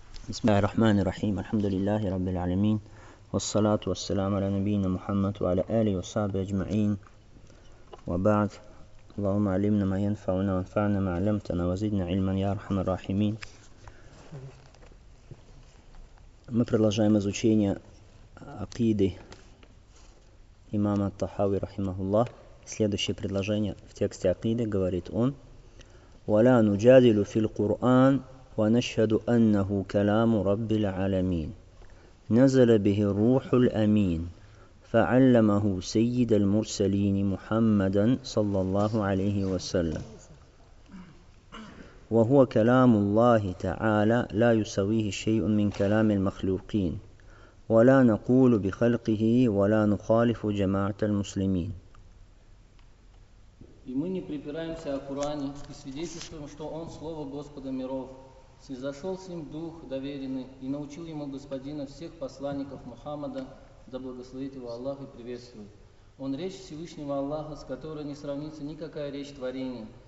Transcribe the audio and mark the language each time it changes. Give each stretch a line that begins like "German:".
Arabic: بسم الله الرحمن الرحيم، الحمد لله رب العالمين، والصلاة والسلام على نبينا محمد وعلى آله وصحبه أجمعين، وبعد. اللهم علمنا ما ينفعنا وانفعنا ما علمتنا وزدنا علما يا أرحم الراحمين.
Russian: Мы продолжаем изучение акиды имама ат-Тахави рахимахуллах. Следующее предложение в тексте акиды говорит он:
Arabic: وَلَا نُجَادِلُ فِي الْقُرْآنِ وَنَشْهَدُ أَنَّهُ كَلَامُ رَبِّ الْعَالَمِينَ نَزَلَ بِهِ الرُّوحُ الْأَمِينَ فَعَلَّمَهُ سَيِّدَ الْمُرْسَلِينِ مُحَمَّدًا صَلَّى اللَّهُ عَلَيْهِ وَسَلَّمَ وهو كلام الله تعالى لا يساويه شيء من كلام المخلوقين ولا نقول بخلقه ولا نخالف جماعة المسلمين.
Russian: И мы не припираемся о Коране и свидетельствуем, что он слово Господа миров. Снизошел с ним дух доверенный и научил ему господина всех посланников Мухаммада, да благословит его Аллах и приветствует. Он речь Всевышнего Аллаха, с которой не сравнится никакая речь творения.